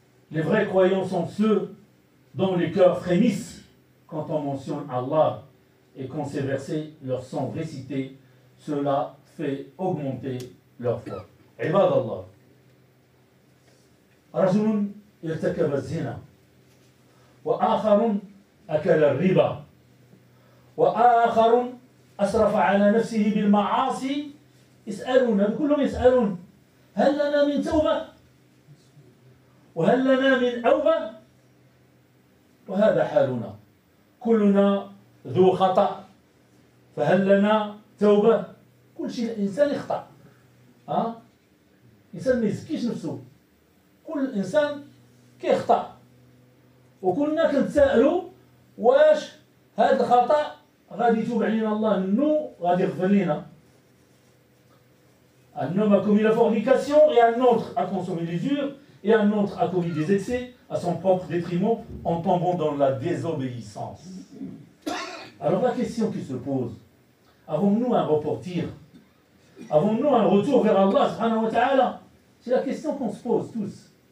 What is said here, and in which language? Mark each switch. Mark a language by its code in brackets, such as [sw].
[fr] Les vrais croyants sont ceux dont les cœurs frémissent quand on mentionne Allah et quand ces versets leur sont récités. Cela fait augmenter leur foi. [ar] Ibad Allah. رجل ارتكب الزنا وآخر أكل الربا وآخر أسرف على نفسه بالمعاصي. اسألون كلهم يسألون هل لنا من توبة وهل لنا من أوبة؟ وهذا حالنا كلنا ذو خطأ، فهل لنا توبة؟ كل شيء الإنسان يخطأ، إنسان ما يزكيش نفسه، كل إنسان كيخطأ، وكلنا كنتسألوا واش هذا الخطأ غادي يتوب علينا الله منه غادي يغفر لنا. [fr] Un homme a commis la fornication et un autre a consommé l'usure et un autre a commis des excès à son propre détriment en tombant dans la désobéissance. Alors la question qui se pose, avons-nous un repentir? Avons-nous un retour vers Allah subhanahu wa ta'ala? C'est la question qu'on se pose tous.